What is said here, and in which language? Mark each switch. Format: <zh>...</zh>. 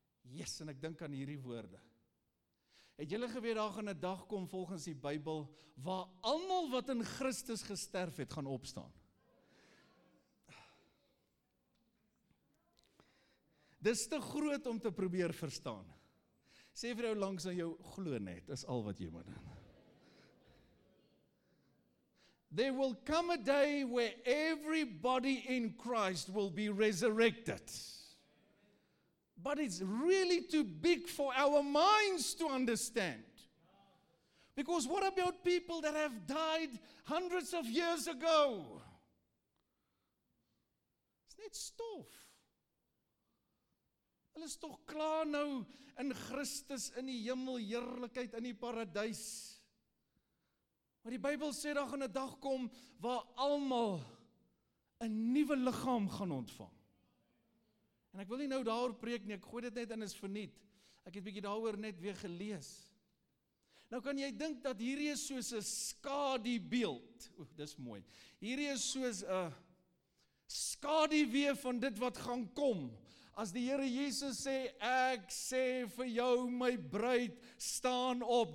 <af>Yes, en ek dink aan hierdie woorde. Het julle geweet, daar gaan 'n dag kom volgens die Bybel, waar almal wat in Christus gesterf het, gaan opstaan. Dis te groot om te probeer verstaan. Sê vir jou langs aan jou, glo net, is al wat jy moet doen.</af> <en>There will come a day where everybody in Christ will be resurrected. But it's really too big for our minds to understand. Because what about people that have died hundreds of years ago?</en> <af>It's net stof. Hulle is toch klaar nou in Christus, in die hemel, heerlikheid, in die paradys. Maar die Bybel sê daar gaan 'n dag kom waar almal 'n nuwe liggaam gaan ontvang. En ek wil nie nou daar preek nie, ek gooi dit net in is verniet. Ek het bietjie daaroor net weer gelees. Nou kan jy dink dat hierdie is soos 'n skadubeeld. Oef, dis mooi. Hierdie is soos 'n skaduwee van dit wat gaan kom. As die Here Jesus sê, ek sê vir jou, my bruid, staan op.</af>